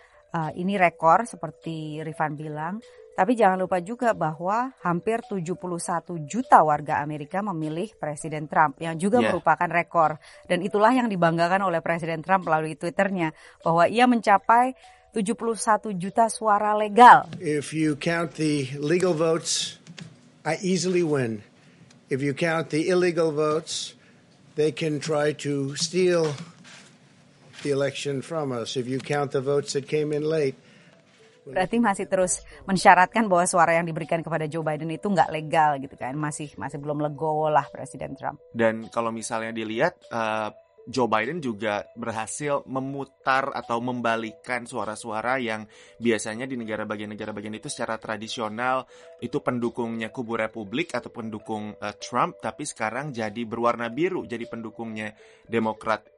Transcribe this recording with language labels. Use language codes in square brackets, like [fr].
[id] Ini rekor seperti Rifan bilang, tapi jangan lupa juga bahwa hampir 71 juta warga Amerika memilih Presiden Trump yang juga merupakan rekor. Dan itulah yang dibanggakan oleh Presiden Trump melalui Twitternya, bahwa ia mencapai 71 juta suara legal. [en] If you count the legal votes, I easily win. If you count the illegal votes, they can try to steal the election from us. If you count the votes that came in late. [id] Berarti masih terus mensyaratkan bahwa suara yang diberikan kepada Joe Biden itu nggak legal gitu kan. Masih belum legowo lah Presiden Trump. Dan kalau misalnya dilihat, Joe Biden juga berhasil memutar atau membalikan suara-suara yang biasanya di negara bagian itu secara tradisional itu pendukungnya kubu Republik atau pendukung Trump, tapi sekarang jadi berwarna biru, jadi pendukungnya Demokrat.